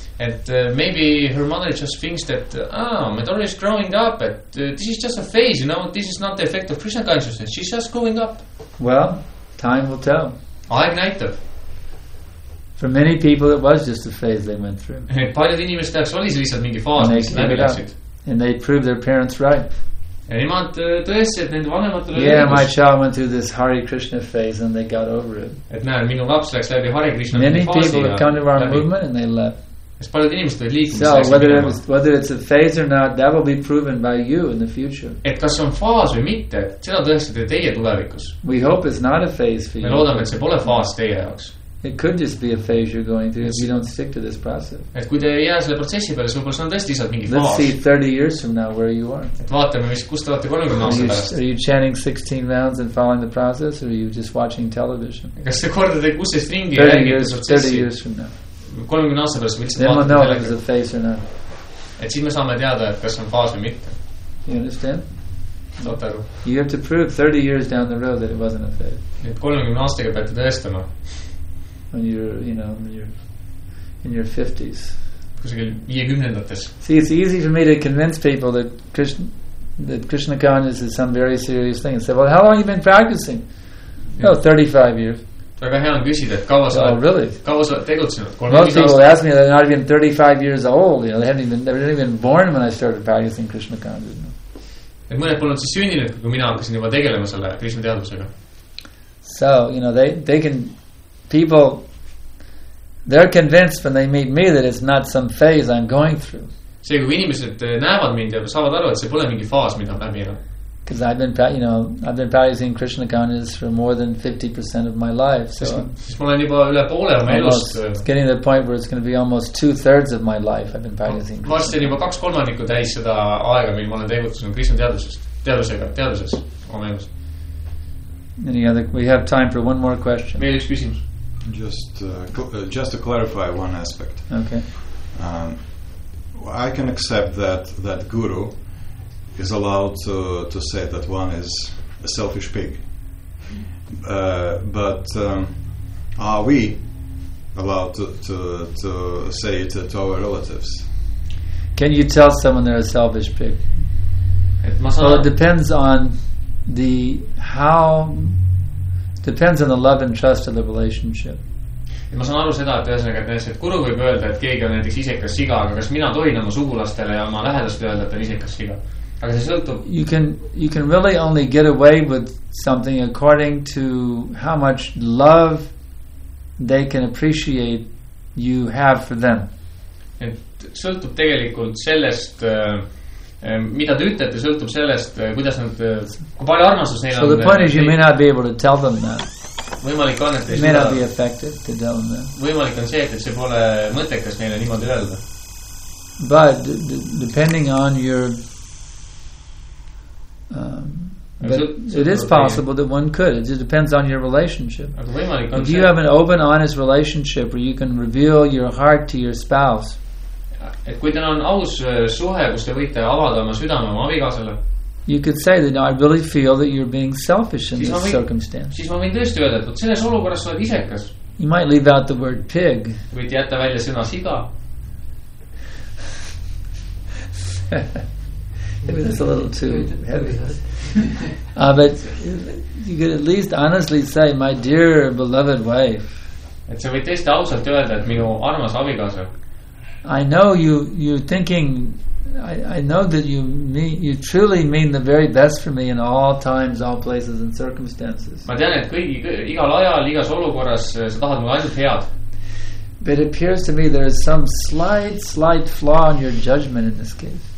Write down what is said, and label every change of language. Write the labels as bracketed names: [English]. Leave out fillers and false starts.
[English] And maybe her mother just thinks that my daughter is growing up, but this is just a phase, you know, this is not the effect of Krishna consciousness, she's just growing up. Well, time will tell. [Estonian] Aeg näitab. [English] For many people it was just a phase they went through. [Estonian] Paljud inimesed teaks oli lihtsalt mingi faas, mis läbi läksid. [English] And they proved their parents right. Yeah, my child went through this Hare Krishna phase and they got over it. Many people have come to our movement and they left. So whether it's a phase or not, that will be proven by you in the future. [Estonian] Et kas on faas või mitte, seda tõestate teie tulevikus. [English] We hope it's not a phase for you. [Estonian] Me loodame, et see pole faas teie jaoks. [English] It could just be a phase you're going through if you don't stick to this process. [Estonian] Et kui te ei jää selle protsessi peale, see on tõesti isalt mingi faas. [English] Let's see 30 years from now where you are. [Estonian] Et vaatame, mis kus te olete 30 aasta pärast. [English] Are you chanting 16 rounds and following the process or are you just watching television? [Estonian] Kas te kordate kus see stringi ja jäägite protsessi? [English] 30 years from now. [Estonian] 30 aastat pärast, miks ma vaatan teile? [English] Is a phase or not. [Estonian] Et siis me saame teada, et kas on faas või mitte. [English] You understand? [Estonian] Saate aru. [English] You have to prove 30 years down the road that it wasn't a phase. [Estonian] Et 30 aastaga peate tõestama. [English] When you're in your 50s. [Estonian] Kusagil 50-ndates. [English] See, it's easy for me to convince people that Krishna consciousness is some very serious thing. And say, well, how long have you been practicing? Yeah. Oh, 35 years. [Estonian] Väga hea on küsida, et kaua sa oled tegutsenud. [English] Most people ask me, they're not even 35 years old. You know, they weren't even born when I started practicing Krishna consciousness. [Estonian] Et mõned polnud siis sünninud, kui mina hakkasin juba tegelema selle Krishna teadusega. [English] So, you know, people, they're convinced when they meet me that it's not some phase I'm going through. [Estonian] See, kui inimesed näevad mind ja saavad aru, et see pole mingi faas, mida läbi elan. [English] Because I've been practicing Krishna consciousness for more than 50% of my life. So [Estonian] siis ma olen juba üle poole oma elust. [English] It's getting to the point where it's going to be almost 2/3 of my life I've been practicing. [Estonian] Varsti on juba 2/3 täis seda aega, mil ma olen tegutsenud Krishna teaduses oma elust. [English] Any other? We have time for one more question. [Estonian] Meil üks küsimus. [English] Just to clarify one aspect. Okay. I can accept that guru is allowed to say that one is a selfish pig. But are we allowed to say it to our relatives? Can you tell someone they're a selfish pig? Well, it depends on depends on the love and trust of the relationship. [Estonian] Ma saan aru seda, et guru võib öelda, et keegi on näiteks isekas siga, aga kas mina tohin oma sugulastele ja oma lähedaste öelda, et on isekas siga? [English] You can really only get away with something according to how much love they can appreciate you have for them. [Estonian] Et sõltub tegelikult sellest mida te ütlete, sõltub sellest, kuidas nad, kui palju armastus neil [English] on. So the point is you may not be able to tell them that. [Estonian] Võimalik on, et [English] it may not be effective to tell them that. [Estonian] Võimalik on see, et see pole mõtekas neile niimoodi öelda. [English] But depending on your but it is possible that one could. It just depends on your relationship. If you have an open, honest relationship where you can reveal your heart to your spouse, [Estonian] et kui teil on aus suhe, kus te võite avada oma südame oma abikaasale, [English] you could say that I really feel that you're being selfish in this circumstance. [Estonian] Siis ma võin tõesti öelda, et selles olukorras oled isekas. [English] You might leave out the word pig. [Estonian] Võite jätta välja sõna siga. [English] Maybe that's a little too heavy. But you could at least honestly say, my dear beloved wife, [Estonian] et sa võid tõesti ausalt öelda, et minu armas abikaasa, [English] I know you're thinking, I know that you truly mean the very best for me in all times, all places and circumstances. [Estonian] Ma tean, et igal ajal, igas olukorras sa tahad mulle ainult head. [English] But it appears to me there is some slight flaw in your judgment in this case.